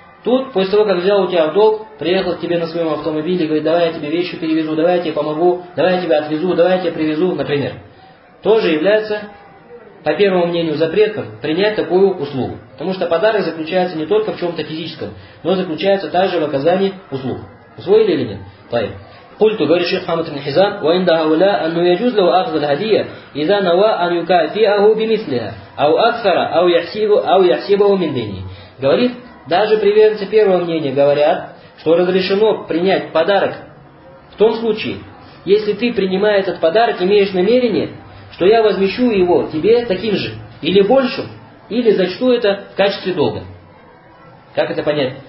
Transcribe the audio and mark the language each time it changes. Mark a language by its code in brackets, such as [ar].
[ru] Тут, после того, как взял у тебя в долг, приехал к тебе на своем автомобиле, говорит, давай я тебе вещи перевезу, давай я тебе помогу, давай я тебя отвезу, давай я тебя привезу, например. Тоже является по первому мнению запретным принять такую услугу. Потому что подарок заключается не только в чем-то физическом, но заключается также в оказании услуг. Усвоили или нет? Тай. [ar] قلت [ru] говорит шейх Мухаммад ибн Хизам, [ar] و عند هؤلاء أن يجوز له أخذ الهدية إذا نوى أن يكافئه بمثلها أو أكثر أو يحسب أو يحسبه من دينه. [ru] Говорит, даже приверженцы первого мнения говорят, что разрешено принять подарок в том случае, если ты, принимая этот подарок, имеешь намерение, что я возмещу его тебе таким же, или большим, или зачту это в качестве долга. Как это понять?